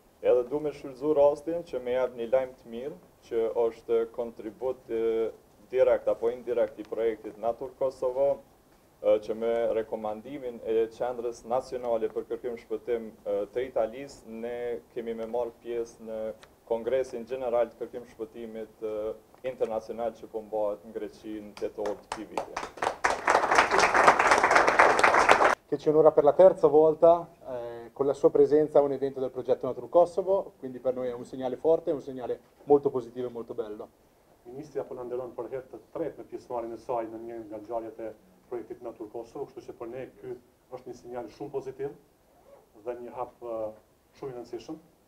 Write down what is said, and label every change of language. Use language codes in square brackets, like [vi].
[sq] Edhe du me shfrytëzu rastin që me jep një lajm të mirë, që është kontribut direkt apo indirekt i projektit Natur Kosovo, që me rekomandimin e Qendrës Nacionale për kërkim shpëtim të Italisë, ne kemi me marrë pjesë në Kongresin General të kërkim shpëtimit internacional që po mbahet në Greqi në tetor të këtij viti. [it] Keci un'ora per la terza volta con la sua presenza a un evento del progetto Natur Kosovo, quindi per noi è un segnale forte, un segnale molto positivo e molto bello. [sq] Ministri apo ndalon për herë tre për pjesëmarrjen e saj në një nga ngjarjet e projektit Natur Kosovo, kështu që për ne ky është një sinjal shumë pozitiv dhe një hap shumë i rëndësishëm.